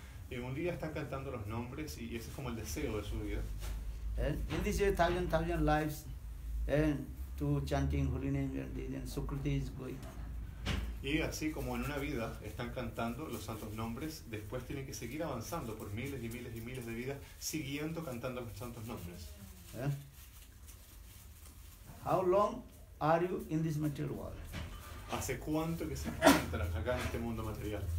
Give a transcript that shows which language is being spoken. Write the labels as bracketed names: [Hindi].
[Spanish] Y un día están cantando los nombres y ese es como el deseo de su vida. [English] And in this year, thousand lives, and to chanting holy names, and Sukriti is going. [Spanish] Y así como en una vida están cantando los santos nombres, después tienen que seguir avanzando por miles y miles y miles de vidas, siguiendo cantando los santos nombres. [English] How long are you in this material world? [Spanish] ¿Hace cuánto que se encuentran acá en este mundo material?